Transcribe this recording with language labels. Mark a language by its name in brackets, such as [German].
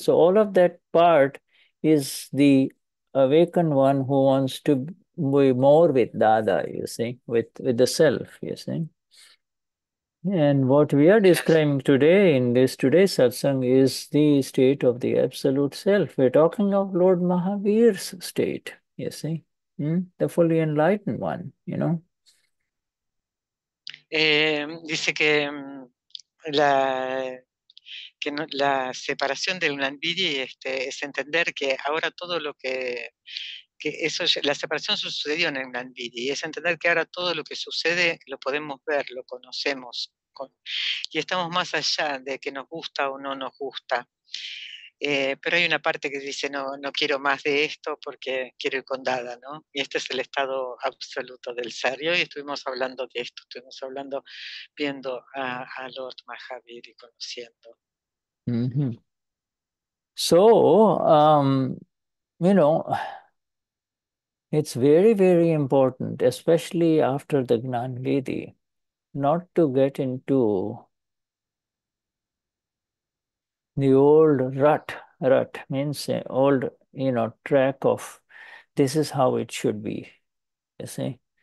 [English] So all of that part is the awakened one who wants to be more with Dada, you see, with the self, you see. And what we are describing today in this today's satsang is the state of the absolute self. We're talking of Lord Mahavir's state, you see. Hmm? The fully enlightened one, you know. [Spanish] Dice que la separación del Gnanvidhi es entender que ahora todo lo que eso, la separación sucedió en el Gnanvidhi, es entender que ahora todo lo que sucede lo podemos ver, lo conocemos y estamos más allá de que nos gusta o no nos gusta. Pero hay una parte que dice no quiero más de esto porque quiero ir con Dada, ¿no? Y este es el estado absoluto del ser. Y hoy estuvimos hablando de esto, estuvimos hablando viendo a Lord Mahavir y conociendo. Mm-hmm. [English] So, you know, it's very, very important, especially after the Gnanvidhi, not to get into the old rut means old, you know, track of this is how it should be, you see.